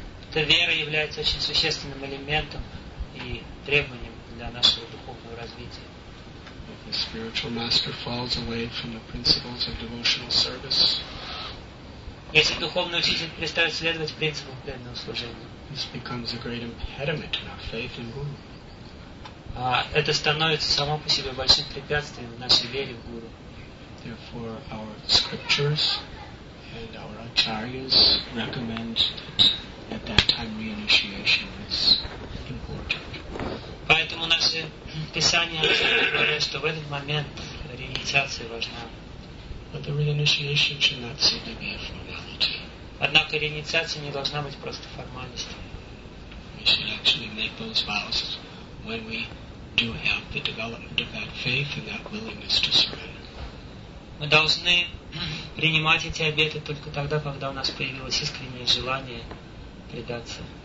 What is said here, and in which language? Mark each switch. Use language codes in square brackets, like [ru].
[ru] Эта вера является очень существенным элементом и требованием для нашего духовного развития. [en] If the spiritual master falls away from the principles of devotional service, [ru] если духовный учитель перестает следовать принципам преданного служения, [en] this becomes a great impediment in our faith in Guru. [ru] Это становится само по себе большим препятствием в нашей вере в Гуру. [en] Therefore, our scriptures and our acharyas recommend that at that time reinitiation is important. [ru] Поэтому наши писания говорят, что в этот момент реинициация важна. [en] But the reinitiation should not simply be a formality. [ru] Однако реинициация не должна быть просто формальностью. [en] We should actually make those vows when we do have the development of that faith and that willingness to surrender. [ru] Мы должны принимать эти обеты только тогда, когда у нас появилось искреннее желание предаться.